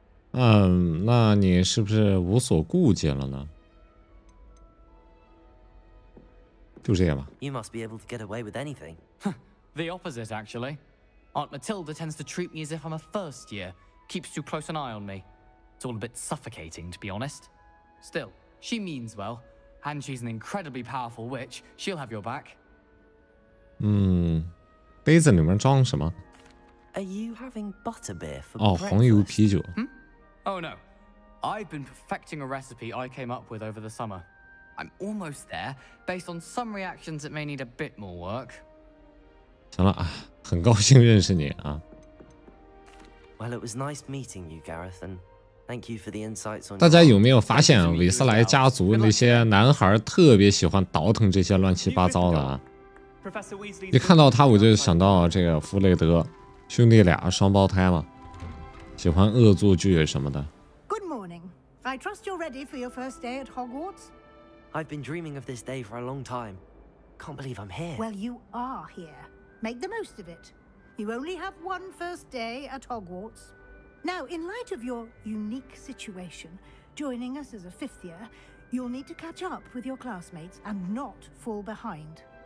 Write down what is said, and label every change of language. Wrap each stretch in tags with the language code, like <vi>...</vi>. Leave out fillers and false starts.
<zh>那你是不是无所顾忌了呢？就这样吧。</zh> <en>You must be able to get away with anything. The opposite, actually. Aunt Matilda tends to treat me as if I'm a first year, keeps too close an eye on me. It's all a bit suffocating, to be honest. Still, she means well, and she's an incredibly powerful witch. She'll have your back.</en> <zh>杯子里面装什么？</zh> <en>Are you having butter beer for</en> <zh>breakfast? 哦，红油啤酒。</zh> <en>Oh no, I've been perfecting a recipe I came up with over the summer. I'm almost there. Based on some reactions, it may need a bit more work.</en> <zh>行了，很高兴认识你啊。</zh> <en>Well, it was nice meeting you, Gareth, and thank you for the insights on.</en> <zh>大家有没有发现韦斯莱家族那些男孩特别喜欢倒腾这些乱七八糟的啊？一看到他，我就想到这个弗雷德兄弟俩双胞胎嘛。喜欢恶作剧什么的。</zh> <en>Good morning. I trust you're ready for your first day at Hogwarts. I've been dreaming of this day for a long time. Can't believe I'm here. Well, you are here. Make the most of it. You only have one first day at Hogwarts. Now, in light of your unique situation, joining us as a fifth year, you'll need to catch up with your classmates and not fall behind.</en>